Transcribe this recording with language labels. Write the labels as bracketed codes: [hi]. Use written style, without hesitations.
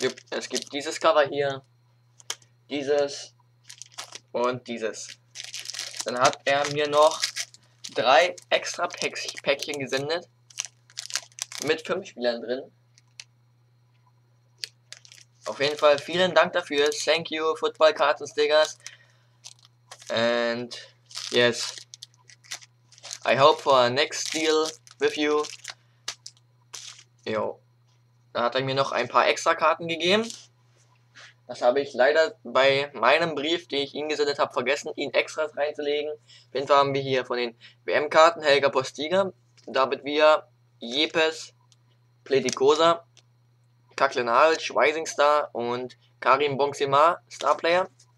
[de] Es gibt dieses Cover hier, dieses und dieses. Dann hat er mir noch 3 extra Päckchen gesendet mit 5 Spielern drin. Auf jeden Fall vielen Dank dafür. [en] Thank you, Football Karten Stickers. And yes, I hope for a next deal with you. Yo. [de] Da hat er mir noch ein paar extra Karten gegeben. Das habe ich leider bei meinem Brief, den ich ihm gesendet habe, vergessen, ihn extra reinzulegen. Auf jeden Fall haben wir hier von den WM-Karten Helga Postiga, David Villa, Jepes, Pletikosa, Kaklenal, Rising Star und Karim Bonxima, Starplayer.